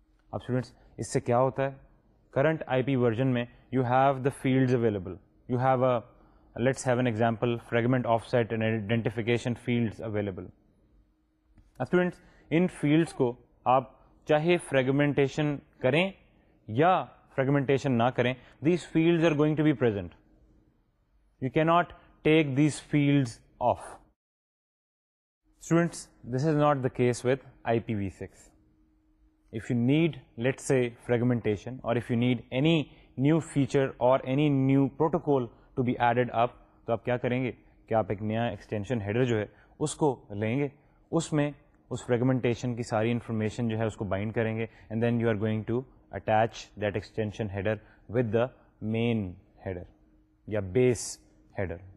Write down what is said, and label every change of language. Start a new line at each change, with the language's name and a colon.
Urdu: اب اسٹوڈنٹس, اس سے کیا ہوتا ہے, کرنٹ IP ورژن میں
English: You have the fields available, you have a, let's have an example, fragment of set and identification fields available.
Urdu: اب students, ان fields کو آپ چاہے فریگمنٹیشن کریں یا فریگمنٹیشن نہ کریں,
English: These fields are going to be present, you کی not take these fields off. Students, this is not the case with IPv6. If you need, let say, fragmentation, اور if you need any new feature اور any new protocol to be added up,
Urdu: تو آپ کیا کریں گے کہ آپ ایک نیا ایکسٹینشن ہیڈر جو ہے اس کو لیں گے, اس میں اس فریگمنٹیشن کی ساری انفارمیشن جو ہے اس کو بائنڈ کریں گے,
English: and then you are going to attach that extension header with the main header
Urdu: یا بیس ہیڈر.